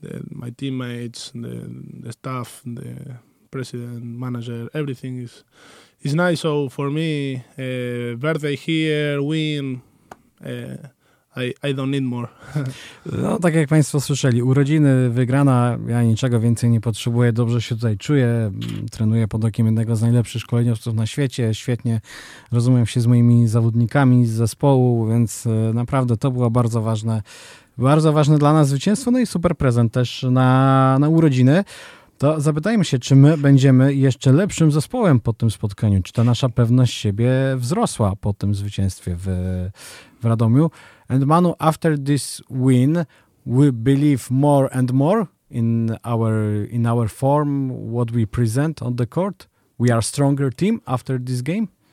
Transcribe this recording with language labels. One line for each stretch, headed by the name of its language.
English: My teammates, the staff, the president, manager, everything is nice. So for me, birthday here, win, I don't need more.
Polish: No, tak jak Państwo słyszeli, urodziny, wygrana, ja niczego więcej nie potrzebuję, dobrze się tutaj czuję, trenuję pod okiem jednego z najlepszych szkoleniowców na świecie, świetnie rozumiem się z moimi zawodnikami z zespołu, więc naprawdę to było bardzo ważne. Bardzo ważne dla nas zwycięstwo, no i super prezent też na urodziny. To zapytajmy się, czy my będziemy jeszcze lepszym zespołem po tym spotkaniu, czy ta nasza pewność siebie wzrosła po tym zwycięstwie w Radomiu.
English: And Manu, after this win, we believe more and more in our form, what we present on the court. We are stronger team after this game?